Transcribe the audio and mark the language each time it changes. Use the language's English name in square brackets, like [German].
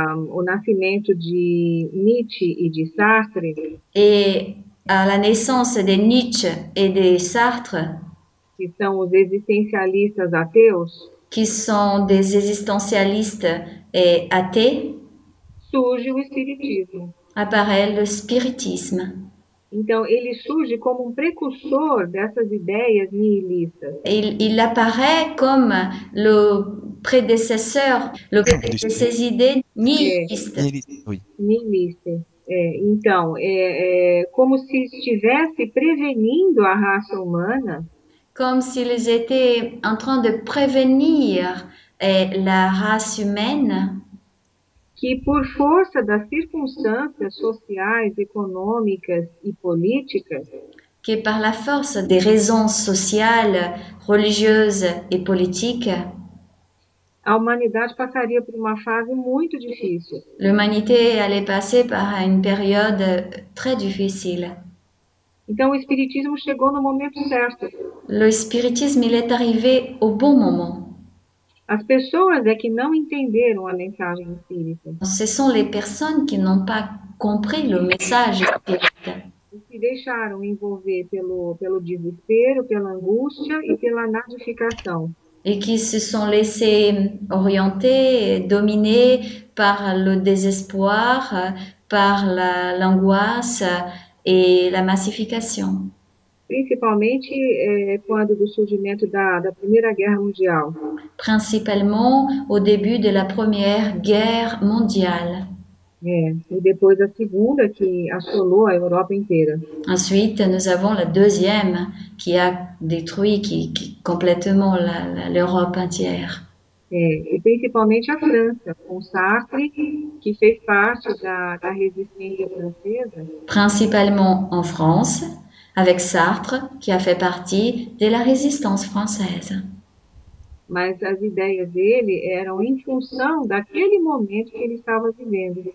[Portuguese] o nascimento de Nietzsche e de Sartre, [French] et à la naissance de Nietzsche et de Sartre, [Portuguese] que são os existencialistas ateus, [French] qui sont des existentialistes et athées, [Portuguese] surge o espiritismo. [French] apparaît le spiritisme. [Portuguese] Então, ele surge como um precursor dessas ideias niilistas. [French] Il apparaît comme le prédécesseur, le de ses idées nihilistes. [Portuguese] Niilista. Então, como se estivesse prevenindo a raça humana. [French] Comme s'ils étaient en train de prévenir la race humaine. [Portuguese] Que por força das circunstâncias sociais, econômicas e políticas, [French] Que par la force des raisons sociales, religieuses et politiques, [Portuguese] a humanidade passaria por uma fase muito difícil. [French] l'humanité allait passer par une période très difficile. [Portuguese] Então, o espiritismo chegou no momento certo. [French] Le spiritisme, il est arrivé au bon moment. [Portuguese] As pessoas é que não entenderam a mensagem espírita. [French] Ce sont les personnes qui n'ont pas compris le message spirituel. [Portuguese] E se deixaram envolver pelo desespero, pela angústia e pela nazificação. [French] Et qui se sont laissés orienter, dominer par le désespoir, par l'angoisse et la massification. [Portuguese] Principalmente, quando do surgimento da Primeira Guerra Mondial. [French] Principalement au début de la Première Guerre mondiale. [Portuguese] E depois a segunda que assolou a Europa inteira. [French] Ensuite, nous avons la deuxième qui a détruit qui complètement l'Europe entière. [Portuguese] E principalmente a França, com Sartre, que fez parte da resistência francesa. [French] Principalement en France, avec Sartre, qui a fait partie de la résistance française. [Portuguese] Mas as ideias dele eram em função daquele momento que ele estava vivendo.